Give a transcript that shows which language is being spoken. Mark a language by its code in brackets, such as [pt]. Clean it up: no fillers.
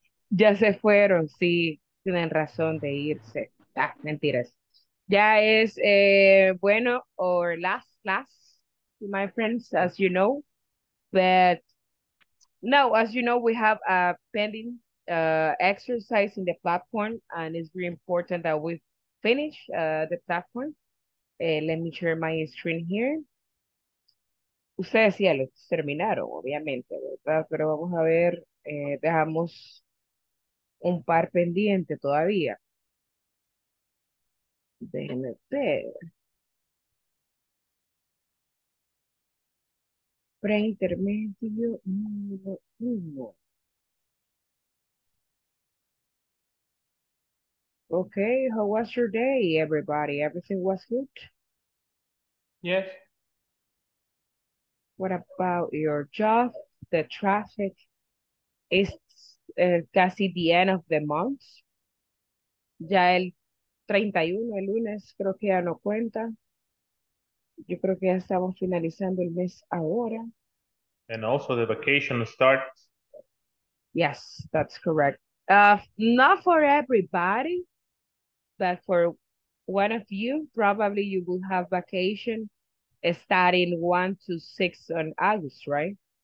[es] Ya se fueron, sí, tienen razón de irse. Ah, mentiras. Ya es bueno, [en] or last class, my friends, as you know. But no, as you know, we have a pending exercise in the platform, and it's very important that we finish the platform. Let me share my screen here. [es] Ustedes ya lo terminaron, obviamente, ¿verdad? Pero vamos a ver, dejamos un par pendiente todavía. Déjenme ver. Preintermedio número uno. [en] Okay, how was your day, everybody? Everything was good? Yes. What about your job? The traffic is casi the end of the month. [es] Ya el 31, el lunes, creo que ya no cuenta. Yo creo que ya estamos finalizando el mes ahora. [en] And also the vacation starts. Yes, that's correct. Not for everybody, but for one of you, probably you will have vacation starting 1 to 6 on August, right?